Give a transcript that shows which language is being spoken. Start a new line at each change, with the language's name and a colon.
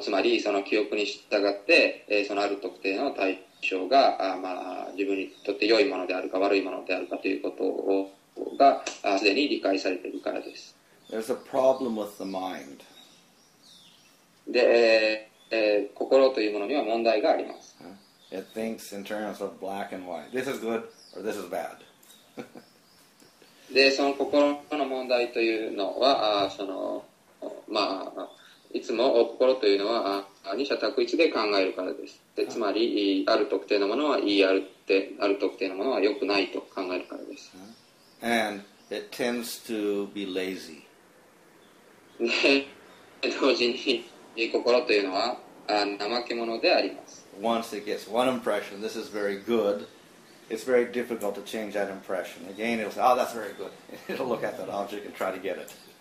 Japanese: つまり、その記憶に従って、そのある特定の対象が、まあ、自分にとって良いものであるか悪いものであるかということをが、すでに理解されているからです。
English: There's a problem with the mind.
Japanese: で、心というものには問題があります。
English: It thinks in terms of black and white. This is good or this is bad.
Japanese: で、その心の問題というのは、その、まあ、いつも心というのは、二者択一で考えるからです。で、つまり、ある特定のものはいい、ある特定のものは良くないと考えるからです。
English: And it tends to be lazy.
Japanese: で、同時に、心というのは、怠け者であります。
English: Once it gets one impression, this is very good, it's very difficult to change that impression. Again, it'll say, oh, that's very good. It'll look at that object and try to get it.